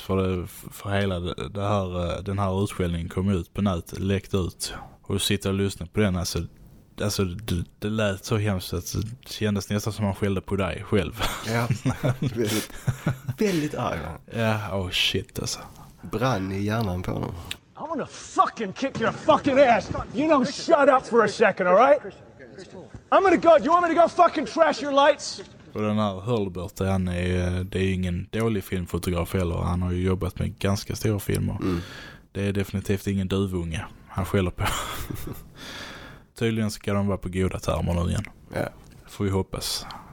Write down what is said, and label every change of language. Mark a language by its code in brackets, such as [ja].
[sv] För hela den här utskällningen kom ut på nätet, läckte ut. Och sitta och lyssna på den, alltså det lät så hemskt att det kändes nästan som man skällde på dig själv. Ja, väldigt, väldigt arg. Ja, [en] oh shit [sv] alltså. Brann i hjärnan på honom. [en] I want to fucking kick your fucking ass. You know, shut up for a second, all right? I'm gonna go, you want me to go fucking trash your lights? [sv] Och den här Hurlbert, det är ju ingen dålig filmfotograf heller. Han har ju jobbat med ganska stora filmer. Mm. Det är definitivt ingen duvunge han skäller på. Tydligen ska de vara på goda termer nu igen. [en] Yeah. [sv] Får vi hoppas.